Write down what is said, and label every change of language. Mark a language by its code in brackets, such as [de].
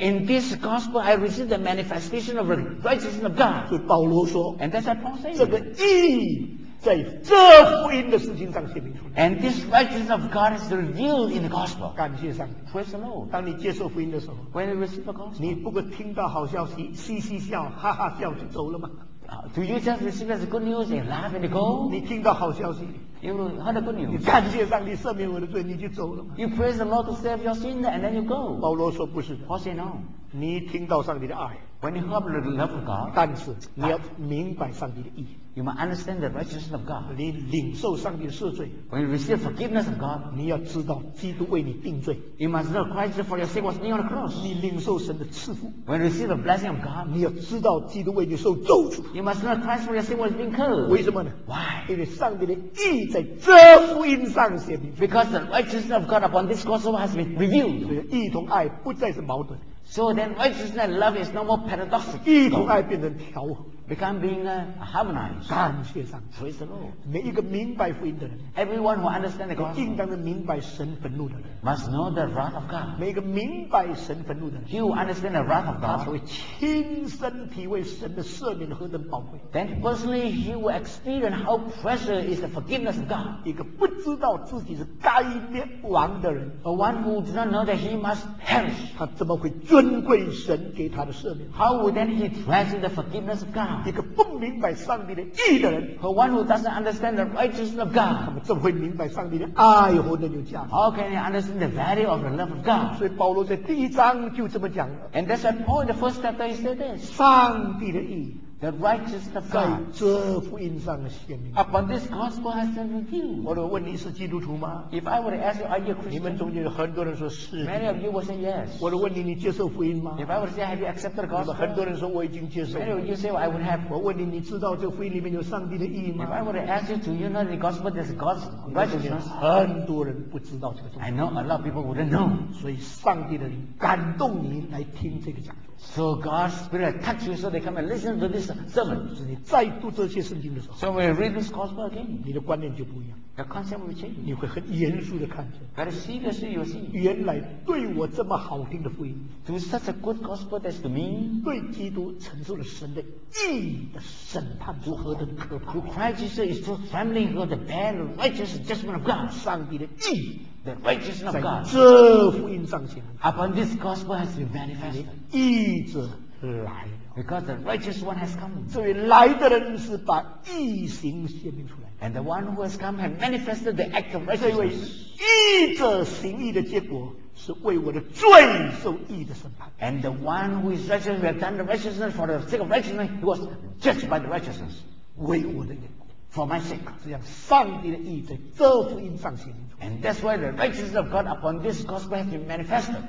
[en] That in this gospel I receive the manifestation of the righteousness of God [zh] 所以保罗说 [en] And that's what Paul said [zh] 这个义在这福音的事情上显明出来 [en] And this righteousness of God is revealed in the gospel [zh] 感谢上 [en] Praise the Lord [zh] 当你接受福音的时候 [en] When I receive the gospel [zh] 你不过听到好消息嘻嘻笑哈哈笑就走了吗 [en] Do you just receive as good news and laugh and go? [zh] 你听到好消息 [en] You heard the good news [zh] 你感谢上帝赦免我的罪你就走了吗 [en] You praise the Lord to save your sin and then you go [zh] 保罗说不是的 [en] Paul say no [zh] 你听到上帝的爱 [en] When you heard the love of God [zh] 但是你要明白上帝的意 [en] You must understand the righteousness of God [zh] 你领受上帝的赦罪 [en] When you receive forgiveness of God [zh] 你要知道基督为你定罪 [en] You must know Christ for your sake was nailed on the cross [zh] 你领受神的赐福 [en] When you receive the blessing of God [zh] 你要知道基督为你受咒诅 [en] You must know Christ for your sake was being cursed [zh] 为什么呢 [en] Why? [zh] 因为上帝的意在这福音上显明 [en] Because the righteousness of God upon this gospel has been revealed [zh] 所以义同爱不再是矛盾 [en] So then righteousness and love is no more paradoxical [zh] 义同爱变成调和 [en] Become being a harmonized. [zh] 感谢上 [en] Praise the Lord. [zh] 每一个明白福音的人 [en] Everyone who understands the gospel. [zh] 应当的明白神愤怒的人 [en] Must know the wrath of God. [zh] 每一个明白神愤怒的人 [en] He will understand the wrath of God. [zh] 他会亲身体会神的赦免何等宝贵 [en] Then personally he will experience how precious is the forgiveness of God. [zh] 一个不知道自己是该灭亡的人 [en] A one who does not know that he must perish. [zh] 他怎么会尊贵神给他的赦免 [en] How would then he treasure the forgiveness of God? [zh] 一个不明白上帝的义的人和 [en] one who doesn't understand the righteousness of God [zh] 他们怎么会明白上帝的爱和那种价值 [en] How can you understand the value of the love of God [zh] 所以保罗在第一章就这么讲了 [en] And that's why Paul in the first chapter he said this [zh] 上帝的义 [en] The righteousness of God [zh] 在这福音上显明 [en] Upon this gospel has been revealed [zh] 我问你是基督徒吗 [en] If I were to ask you are you a Christian [zh] 你们中间有很多人说是 [en] Many of you will say yes [zh] 我问你你接受福音吗 [en] If I were to say have you accepted the gospel [zh] 很多人说我已经接受 [en] Many of you say well, I would have [zh] 我问你你知道这福音里面有上帝的义吗 [en] If I were to ask you do you know the gospel there's God's righteousness [zh] 很多人不知道这个 [en] I know a lot of people wouldn't know [zh] 所以上帝的灵感动你来听这个讲座 [en] So God's spirit touch you so they come and listen to this sermon [zh] 是你再读这些圣经的时候 [en] So when you read this gospel again [zh] 你的观念就不一样 [en] The concept will change. [zh] 你会很严肃地看见。 [en] But seriously, you see. [zh] 原来对我这么好听的福音。 [en] To such a good gospel as to me. [zh] 对基督承受了神的义的审判如何的可怕。 [en] To Christ Jesus is to trembling for the bad righteous judgment of God. [zh] 上帝的义。 [en] The righteousness of God. [zh] 在这福音上显。 [en] Upon this gospel has been manifested. [zh] 义者来。 [en] Because the righteous one has come. [zh] 这位来的人是把义行显明出来。 [en] And the one who has come has manifested the act of righteousness. [zh] 这位义者行义的结果是为我的罪受义的审判。 [en] And the one who is righteous who has done the righteousness for the sake of righteousness, he was judged by the righteousness. [zh] 为我的缘故。 [en] for my sake. [zh] 这样上帝的义在这福音上显明。 [en] And that's why the righteousness of God upon this gospel has been manifested.